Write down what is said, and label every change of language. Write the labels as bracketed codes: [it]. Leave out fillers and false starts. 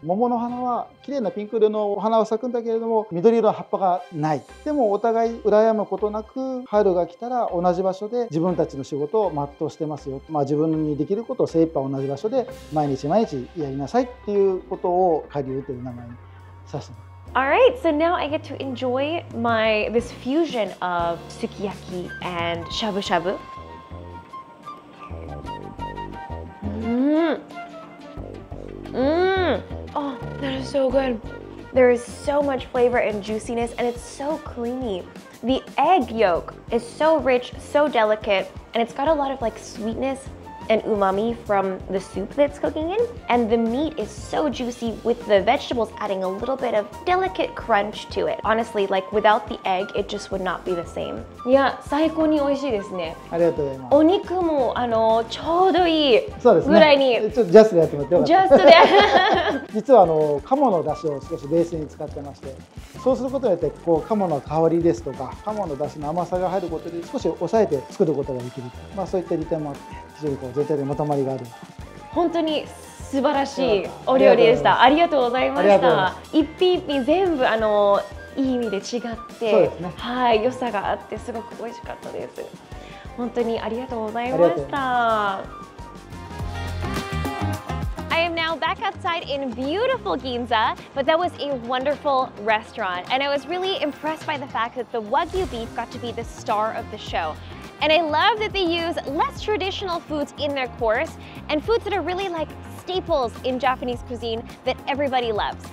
[ja] 桃の花は綺麗なピンク色のお花は咲くんだけれども、緑色の葉っぱがない。でもお互い羨むことなく、春が来たら同じ場所で自分たちの仕事を全うしてますよ、自分にできることを精一杯同じ場所で毎日毎日やりなさいっていうことを下流という名前にさせて。 [en] All right, so now I get to enjoy this fusion of sukiyaki and shabu shabu. Oh, that is so good. There is so much flavor and juiciness, and it's so creamy. The egg yolk is so rich, so delicate, and it's got a lot of sweetness. And umami from the soup that's cooking in. And the meat is so juicy, with the vegetables adding a little bit of delicate crunch to it. Honestly, without the egg, it just would not be the same. [ja] Yeah, 最高に美味しいですね。ありがとうございます。お肉も、ちょうどいいぐらいに。そうですね。ちょっとジャストでやってもらってよかった。ジャストで。実は鴨の出汁を少しベースに使ってまして、そうすることによって鴨の香りですとか、鴨の出汁の甘さが入ることで少し抑えて作ることができる。そういった利点もあって。絶対にまとまりがある。本当に素晴らしいお料理でした。ありがとうございました。一品一品全部いい意味で違って、そうですね、はい、良さがあってすごく美味しかったです。本当にありがとうございました。 [en] I am now back outside in beautiful Ginza, but that was a wonderful restaurant, and I was really impressed by the fact that the Wagyu beef got to be the star of the showAnd I love that they use less traditional foods in their course, and foods that are really staples in Japanese cuisine that everybody loves.